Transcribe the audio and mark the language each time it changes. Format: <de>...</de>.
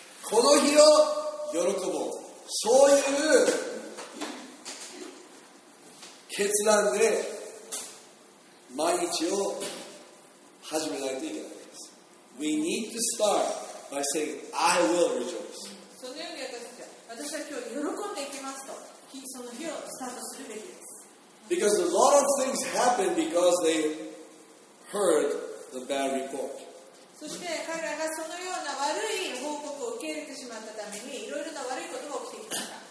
<ja>この日を喜ぼう。そういう決断で毎日を始めないといけないです。</ja> <en>We need to start by saying, I will rejoice.</en> <ja>そのように私たちは、私は今日喜んでいきますと、その日をスタートするべきです。</ja> <en>Because a lot of things happen because they heard the bad report.</en> <ja>そして彼らがそのような悪い報告を受け入れてしまったために、いろいろな悪いことが起きてきました。</ja>